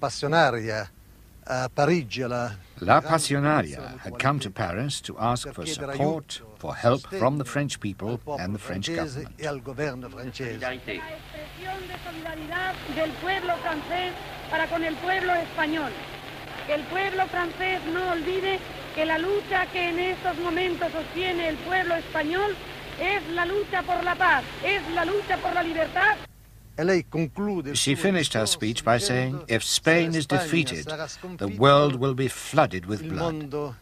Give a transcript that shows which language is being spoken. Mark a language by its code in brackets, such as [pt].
[en] La Passionaria had come to Paris to ask for support, for help from the French people and the French government. [es] La lucha por la paz, es la lucha por la libertad. [en] She finished her speech by saying, if Spain is defeated, the world will be flooded with blood.